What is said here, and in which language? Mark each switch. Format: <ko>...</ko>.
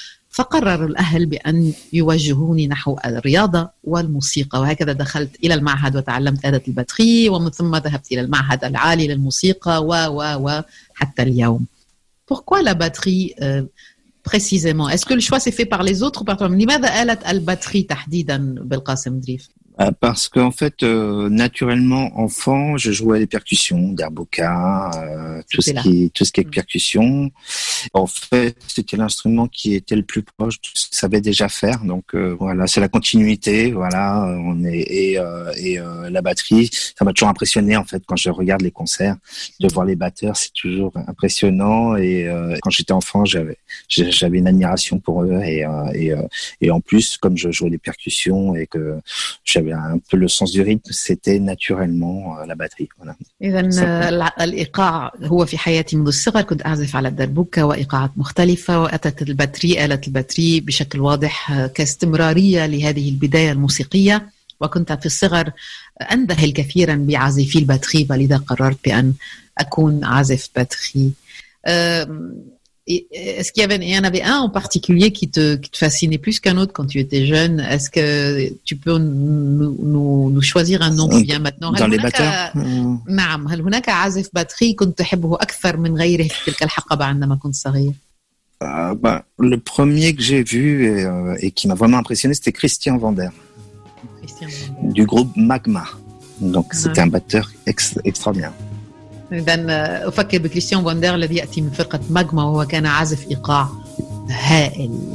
<ar>فقرر الأهل بأن يوجهوني نحو الرياضة والموسيقى, وهكذا دخلت إلى المعهد وتعلمت آلة الباتري, ومن ثم ذهبت إلى المعهد العالي للموسيقى حتى اليوم.</ar> <fr>Pourquoi la batterie précisément? Est-ce que le choix s'est fait par les autres ou par toi-même?</fr> <ar>لماذا آلة الباتري تحديدا بالقاسم دريف؟</ar> <fr>Parce qu'en fait, naturellement, enfant, je jouais les percussions, derbouka, tout ce qui est percussion. En fait, c'était l'instrument qui était le plus proche de ce que je savais déjà faire. Donc voilà, c'est la continuité. Voilà, on est la batterie, ça m'a toujours impressionné en fait quand je regarde les concerts, de voir les batteurs, c'est toujours impressionnant. Et quand j'étais enfant, j'avais une admiration pour eux. Et en plus, comme je jouais les percussions et que j'avais un peu le sens du rythme, c'était naturellement la batterie. Voilà.</fr> <ar>إذن الإيقاع هو في حياتي منذ الصغر, كنت أعزف على الدربوكة وإيقاعات مختلفة, وأتت الباتري آلة الباتري بشكل واضح كاستمرارية لهذه البداية الموسيقية, وكنت في الصغر أندهل كثيرا بعازفي الباتري, فلذا قررت بأن أكون عازف باتري.</ar> <fr>Est-ce qu'il y avait, il y en avait un en particulier qui te fascinait plus qu'un autre quand tu étais jeune? Est-ce que tu peux nous choisir un nom qui vient maintenant dans les batteurs?</fr> <ar>نعم, هل هناك عازف باتري كنت تحبه أكثر من غيره في تلك الحقبة عندما كنت صغير؟</ar> <fr>Le premier que j'ai vu et qui m'a vraiment impressionné, c'était Christian Vander, du groupe Magma. Donc c'était un batteur extraordinaire.</fr> <ar>إذن أفكر بكريستيان فاندير الذي يأتي من فرقة ماجما, وهو كان عازف إيقاع هائل.</ar>